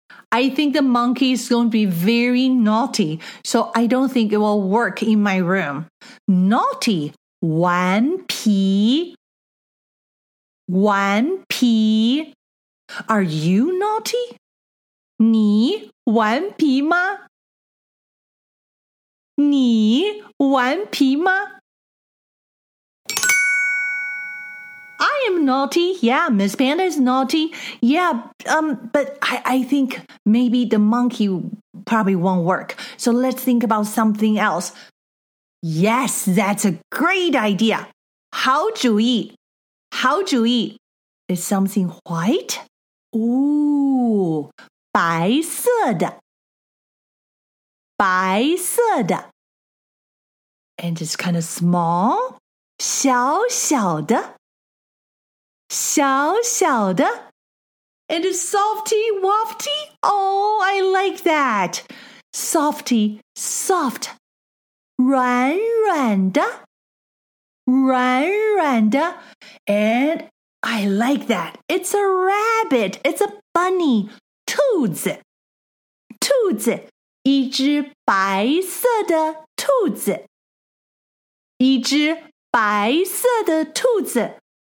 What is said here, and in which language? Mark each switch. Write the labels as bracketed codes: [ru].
[en] I think the monkey is going to be very naughty, so I don't think it will work in my room. [zh] Naughty, 顽皮顽皮 [en] Are you naughty? [zh] 你顽皮吗你顽皮吗 [en] I am naughty. Yeah, Miss Panda is naughty. Yeah, but I think maybe the monkey probably won't work. So let's think about something else. Yes, that's a great idea. [zh] 好主意，好主意。 [en] Is something white? [zh] Ooh, 白色的，白色的。 [en] And it's kind of small? [zh] 小小的。小小的 [en] And softy, wafty Oh, I like that Softy, soft [zh] 软软的软软的 [en] And I like that It's a rabbit, it's a bunny [zh] 兔子兔子一只白色的兔子一只白色的兔子